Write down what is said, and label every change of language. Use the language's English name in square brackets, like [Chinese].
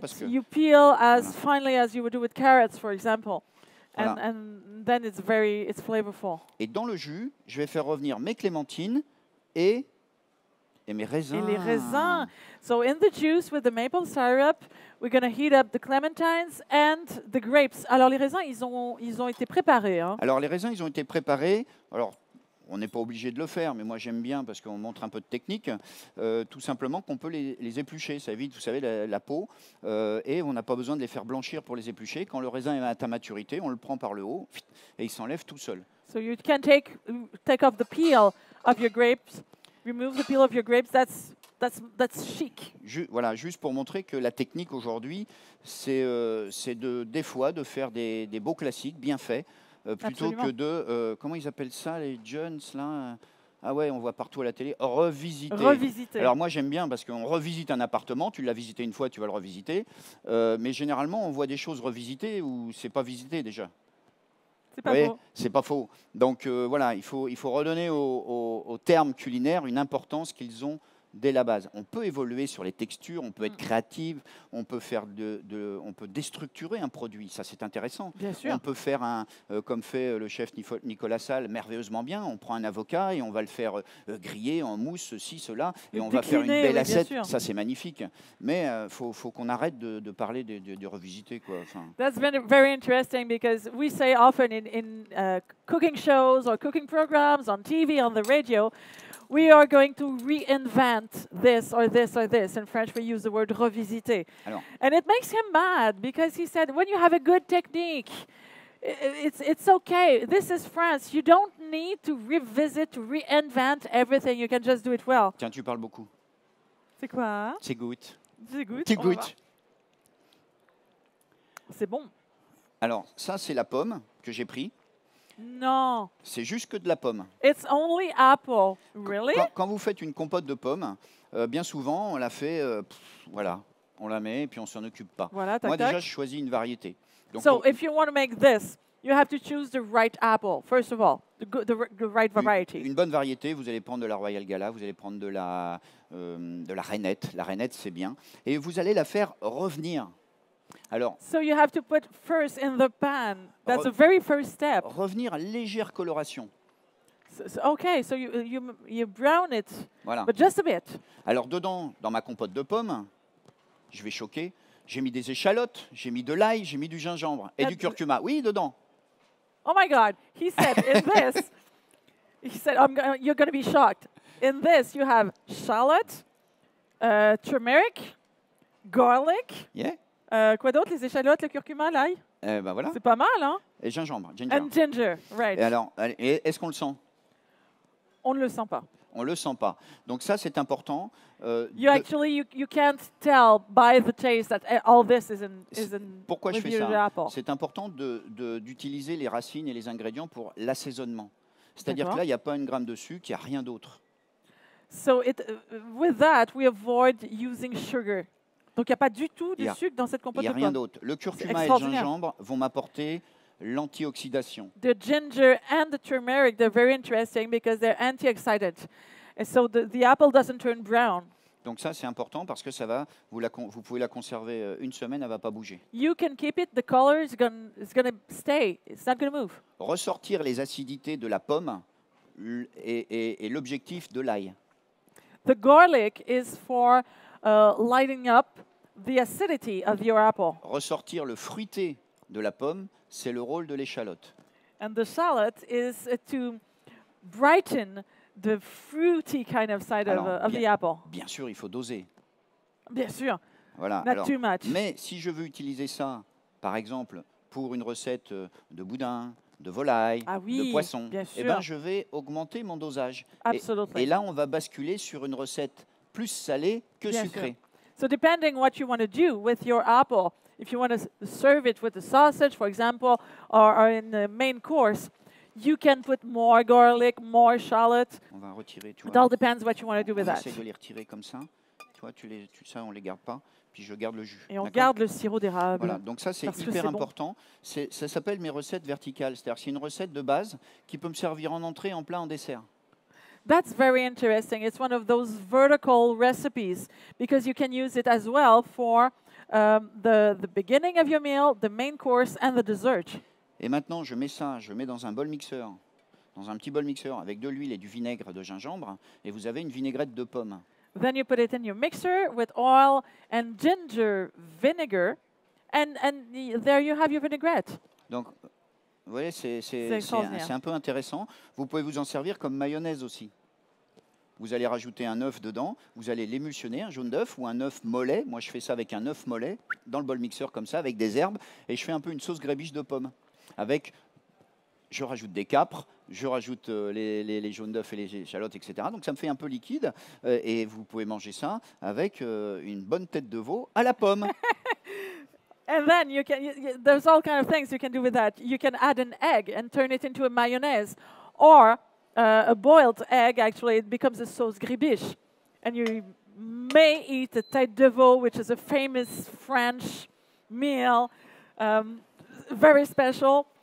[English] That you peel as finely as you would do with carrots, for example. [French] Voilà. [English] And then it's flavorful. [French] Et dans le jus, je vais faire revenir mes clémentines et mes raisins. Et les raisins. [English] So in the juice with the maple syrup, we're going to heat up the clementines and the grapes. [French] Alors les raisins, ils ont été préparés. Hein. Alors les raisins, ils ont été préparés. Alors on n'est pas obligé de le faire, mais moi j'aime bien parce qu'on montre un peu de technique. Tout simplement qu'on peut les éplucher, ça évite, vous savez, la peau. Et on n'a pas besoin de les faire blanchir pour les éplucher. Quand le raisin est à ta maturité, on le prend par le haut et il s'enlève tout seul. [English] So you can take off the peel of your grapes, remove the peel of your grapes, that's chic. [French] Voilà, juste pour montrer que la technique aujourd'hui, c'est des fois de faire des beaux classiques bien faits. Plutôt absolument. Que de, comment ils appellent ça, les Jones, là? Ah ouais, on voit partout à la télé, revisiter. Alors moi, j'aime bien parce qu'on revisite un appartement, tu l'as visité une fois, tu vas le revisiter. Mais généralement, on voit des choses revisitées ou c'est pas visité déjà. C'est pas faux. C'est pas faux. Donc voilà, il faut redonner aux termes culinaires une importance qu'ils ont dès la base. On peut évoluer sur les textures, on peut être créatif, on peut faire on peut déstructurer un produit, ça c'est intéressant. Bien sûr. On peut faire comme fait le chef Nicolas Salles, merveilleusement bien, on prend un avocat et on va le faire griller en mousse, ceci, cela, et on décliner, va faire une belle assiette, oui, ça c'est magnifique. Mais faut qu'on arrête de parler de revisiter, quoi. Enfin, [English] that's been very interesting because we say often in cooking shows or cooking programs on TV, on the radio, we are going to reinvent this or this or this. In French, we use the word revisiter. [French] Alors. [English] And it makes him mad because he said, when you have a good technique, It's okay. This is France. You don't need to revisit, to reinvent everything. You can just do it well. [French] Tiens, tu parles beaucoup. C'est quoi? C'est good. C'est good. C'est good. C'est bon. Alors, ça, c'est la pomme que j'ai pris. Non. C'est juste que de la pomme. [English] It's only apple. Really? [French] Quand vous faites une compote de pommes, bien souvent, on la fait, voilà, on la met et puis on s'en occupe pas. Voilà, moi, déjà, je choisis une variété. [English] Donc, so, if you want to make this, you have to choose the right apple, first of all, the right variety. [French] Une bonne variété, vous allez prendre de la Royal Gala, vous allez prendre de la Reinette. La Reinette, c'est bien. Et vous allez la faire revenir. Alors, [English] so you have to put first in the pan. That's the very first step. [French] Revenir légère coloration. [English] So, okay, so you brown it, [French] voilà. [English] But just a bit. [French] Alors dedans, dans ma compote de pommes, je vais choquer. J'ai mis des échalotes, j'ai mis de l'ail, j'ai mis du gingembre et du curcuma. Oui, dedans. [English] Oh my God, he said in this. He said you're going to be shocked. In this, you have shallot, turmeric, garlic. Yeah. [French] Quoi d'autre? Les échalotes, le curcuma, l'ail. Ben voilà. C'est pas mal, hein? Et gingembre, ginger. [English] And ginger, right. [French] Et alors, est-ce qu'on le sent? On ne le sent pas. On ne le sent pas. Donc ça, c'est important. [English] You can't tell by the taste that all this isn't. [French] Pourquoi je fais ça? C'est important d'utiliser les racines et les ingrédients pour l'assaisonnement. C'est-à-dire que là, il n'y a pas une gramme de sucre, il n'y a rien d'autre. [English] So with that, we avoid using sugar. [French] Donc, il n'y a pas du tout de sucre dans cette compote de pommes. Il n'y a rien d'autre. Le curcuma et le gingembre vont m'apporter l'antioxydation. [English] The ginger and the turmeric, they're very interesting because they're antioxidant. And so the apple doesn't turn brown. [French] Donc, ça, c'est important parce que ça va, vous pouvez la conserver une semaine, elle ne va pas bouger. [English] You can keep it, the color is going to stay. It's not going to move. [French] Ressortir les acidités de la pomme est l'objectif de l'ail. [English] The garlic is for lighting up the acidity of your apple. [French] Ressortir le fruité de la pomme, c'est le rôle de l'échalote. [English] And the shallot is to brighten the fruity kind of side of the apple. [French] Bien sûr, il faut doser. Bien sûr. Voilà. [English] Not [French] alors, [English] too much. [French] Mais si je veux utiliser ça, par exemple, pour une recette de boudin, de volaille, de poisson, je vais augmenter mon dosage. [English] Absolutely. [French] Et là, on va basculer sur une recette plus salé que sucré. [English] So depending what you want to do with your apple, if you want to serve it with a sausage, for example, or in the main course, you can put more garlic, more shallot. [French] On va retirer, tu vois. [English] It all depends what you want to do with that. [French] J'essaie de les retirer comme ça. Tu vois, ça, on les garde pas. Puis je garde le jus. Et on garde le sirop d'érable. Voilà, donc ça, c'est hyper important. Bon. Ça s'appelle mes recettes verticales. C'est-à-dire c'est une recette de base qui peut me servir en entrée, en plat, en dessert. [English] That's very interesting. It's one of those vertical recipes because you can use it as well for the beginning of your meal, the main course, and the dessert. [French] Et maintenant, je mets ça, je mets dans un bol mixeur, dans un petit bol mixeur avec de l'huile et du vinaigre de gingembre, et vous avez une vinaigrette de pomme. [English] Then you put it in your mixer with oil and ginger vinegar, and there you have your vinaigrette. [French] Donc, vous voyez, c'est un peu intéressant. Vous pouvez vous en servir comme mayonnaise aussi. Vous allez rajouter un œuf dedans. Vous allez l'émulsionner, un jaune d'œuf ou un œuf mollet. Moi, je fais ça avec un œuf mollet dans le bol mixeur comme ça, avec des herbes. Et je fais un peu une sauce grébiche de pommes. Avec, je rajoute des câpres, je rajoute les jaunes d'œufs et les échalotes, etc. Donc, ça me fait un peu liquide. Et vous pouvez manger ça avec une bonne tête de veau à la pomme. [English] And then you can. There's all kind of things you can do with that. You can add an egg and turn it into a mayonnaise, or a boiled egg. Actually, it becomes a sauce gribiche, and you may eat a tête de veau, which is a famous French meal, very special.